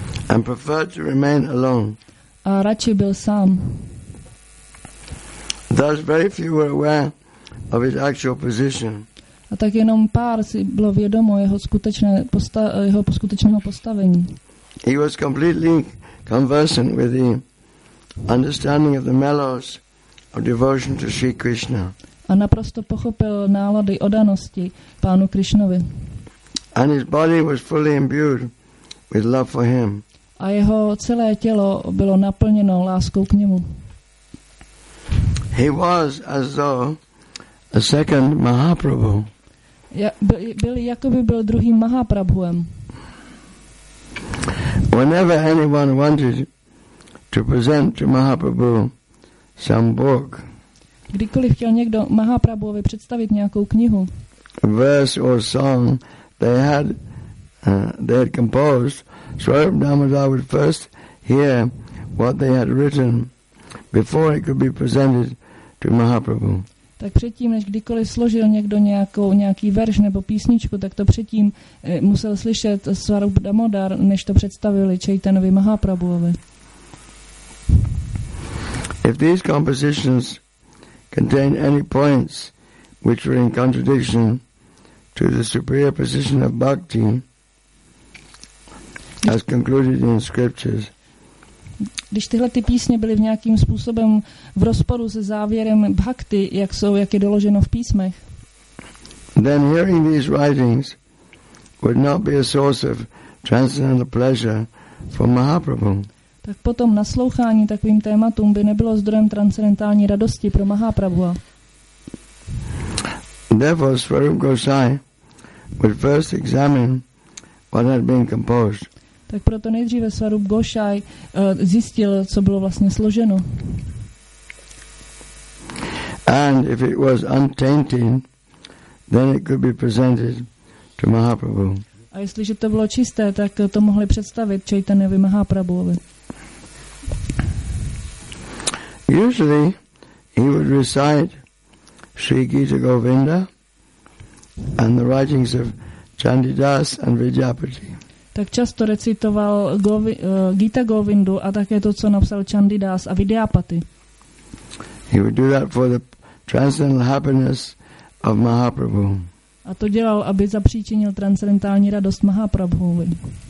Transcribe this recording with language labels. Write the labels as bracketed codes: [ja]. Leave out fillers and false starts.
[en] And preferred to remain alone. [cs] A radši byl sám. [en] Thus very few were aware of his actual position. [cs] A tak jenom pár si bylo vědomo jeho skutečného postavení. [en] He was completely conversant with the understanding of the mellows of devotion to Sri Krishna. [cs] A naprosto pochopil nálady odanosti pánu Krishnovi. [en] And his body was fully imbued with love for him. [cs] A jeho celé tělo bylo naplněno láskou k němu. [en] He was as though a second Mahaprabhu. [cs] Byl druhým Mahaprabhuem. [en] Whenever anyone wanted to present to Mahaprabhu some book. [cs] Kdykoliv chtěl někdo Mahaprabhuovi představit nějakou knihu. [en] Verse or song they had composed. Swarup Damodar would first hear what they had written before it could be presented to Mahaprabhu. [cs] Tak předtím, než kdykoliv složil někdo nějaký verš nebo písničku, tak to předtím musel slyšet Swarup Damodar, než to představili Chaitanyovi Mahaprabhuovi. [en] If these compositions contain any points which were in contradiction to the superior position of bhakti as concluded in scriptures. [cs] Když tyhle ty písně byly v nějakým způsobem v rozporu se závěrem bhakti, jak je doloženo v písmech. [en] Then hearing these writings would not be a source of transcendental pleasure for Mahaprabhu. [cs] Tak potom naslouchání takovým tématům by nebylo zdrojem transcendentální radosti pro Mahaprabhu. [en] Therefore, Swarup Gosai would first examine what had been composed. [cs] Tak proto nejdříve Swarup Gosai zjistil, co bylo vlastně složeno. [en] And if it was untainted, then it could be presented to Mahaprabhu. [cs] A jestliže to bylo čisté, tak to mohli představit Chaitanyovi Mahaprabhuovi. [en] Usually he would recite Sri Gita Govinda and the writings of Chandidas and Vidyapati. [cs] Tak často recitoval Gita Govindu a také to, co napsal Chandidas a Vidyapati. [en] He would do that for the transcendental happiness of Mahaprabhu. [cs] A to dělal, aby zapříčinil transcendentální radost Mahaprabhuovi.